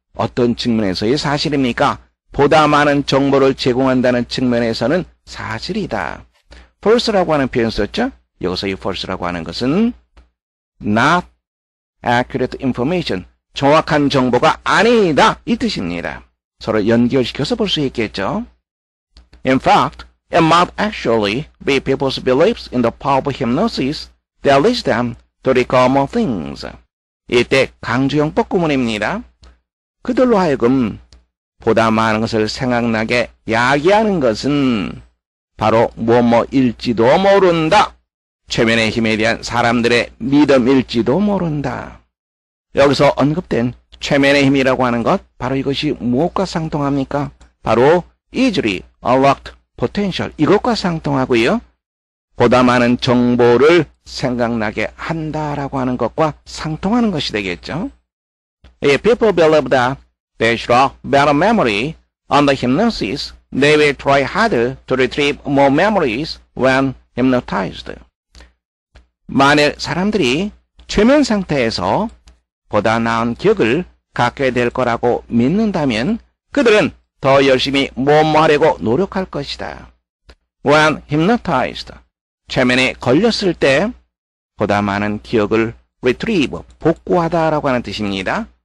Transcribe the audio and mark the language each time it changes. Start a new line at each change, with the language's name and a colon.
Korean: 어떤 측면에서의 사실입니까? 보다 많은 정보를 제공한다는 측면에서는 사실이다. False라고 하는 표현을 썼죠? 여기서 이 False라고 하는 것은
English: not accurate information.
Korean: 정확한 정보가 아니다. 이 뜻입니다. 서로 연결시켜서 볼 수 있겠죠?
English: In fact, it might actually be people's beliefs in the power of hypnosis that leads them to recall more things.
Korean: 이때 강조형법 구문입니다. 그들로 하여금 보다 많은 것을 생각나게 야기하는 것은 바로 무엇일지도 모른다. 최면의 힘에 대한 사람들의 믿음일지도 모른다. 여기서 언급된 최면의 힘이라고 하는 것, 바로 이것이 무엇과 상통합니까? 바로
English: easily unlocked potential,
Korean: 이것과 상통하고요. 보다 많은 정보를 생각나게 한다라고 하는 것과 상통하는 것이 되겠죠.
English: If people believe that they should have better memory under hypnosis, they will try harder to retrieve more memories when hypnotized.
Korean: 만일 사람들이 최면 상태에서 보다 나은 기억을 갖게 될 거라고 믿는다면 그들은 더 열심히 뭐하려고 노력할 것이다. When hypnotized, 최면에 걸렸을 때 보다 많은 기억을 retrieve, 복구하다라고 하는 뜻입니다.